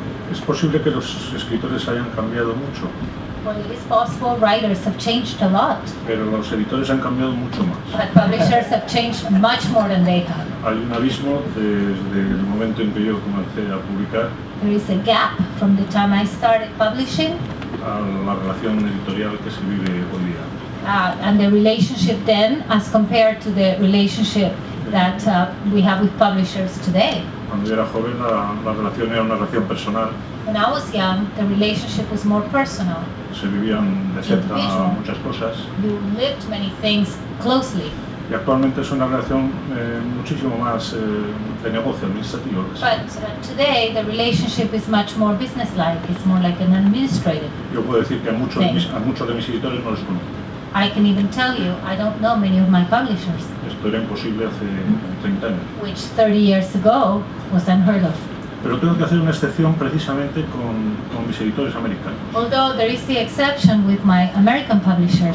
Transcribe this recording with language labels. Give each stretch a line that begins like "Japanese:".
Spanish: Es posible que los escritores hayan cambiado mucho.
English: Well, it is possible writers have changed a lot.
Spanish: Pero los editores han cambiado mucho más.
English: But publishers have changed much more than they have.
Spanish: Hay un abismo desde el momento en que yo comencé a publicar.
English: There is a gap from the time I started publishing.
Spanish: A la relación editorial que se vive hoy día.
English: And the relationship then, as compared to the relationship that we have with publishers today.
Spanish: Cuando yo era joven, la relación era una relación personal.
English: When I was young, the relationship was more personal.
Spanish: Se vivían de cerca muchas cosas.
English: You lived many things closely.
Spanish: Y actualmente es una relación muchísimo más de negocio, administrativo.
English: But today the relationship is much more business-like. It's more like an administrative.
Spanish: Yo puedo decir que a muchos de mis editores no los conozco.
English: I can even tell you, I don't know many of my publishers.
Spanish: Esto era imposible hace 30 años.
English: Which 30 years ago was unheard of.
Spanish: pero tengo que hacer una excepción precisamente con mis editores americanos.
English: Although there is the exception with my American publishers.